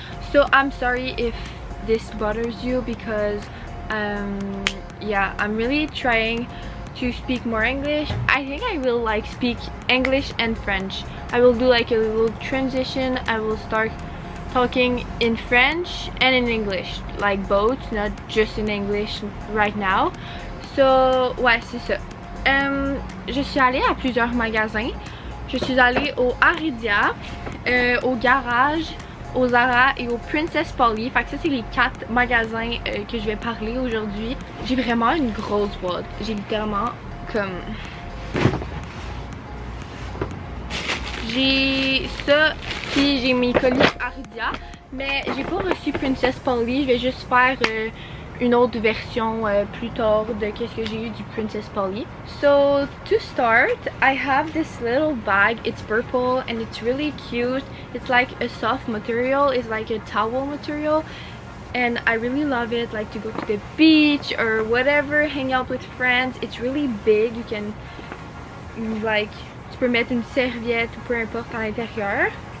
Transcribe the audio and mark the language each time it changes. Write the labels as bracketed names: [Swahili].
[English] So I'm sorry if this bothers you because I'm really trying to speak more English. I think I will like speak English and French. I will do like a little transition. I will start talking in French and in English, like both, not just in English right now. [French] So, ouais, c'est ça. Je suis allée à plusieurs magasins. Je suis allée au Aridia, au Garage, au Zara et au Princess Polly. Fait que ça, c'est les quatre magasins que je vais parler aujourd'hui. J'ai vraiment une grosse boîte. J'ai littéralement comme... J'ai ça, puis j'ai mes colis Aridia, mais j'ai pas reçu Princess Polly. Je vais juste faire une autre version plus tard de qu'est-ce que j'ai eu du Princess Polly. [English] So, to start, I have this little bag. It's purple and it's really cute. It's like a soft material. It's like a towel material. And I really love it, like to go to the beach or whatever, hang out with friends. It's really big. You can, like... [French] mettre une serviette ou peu importe à l'intérieur.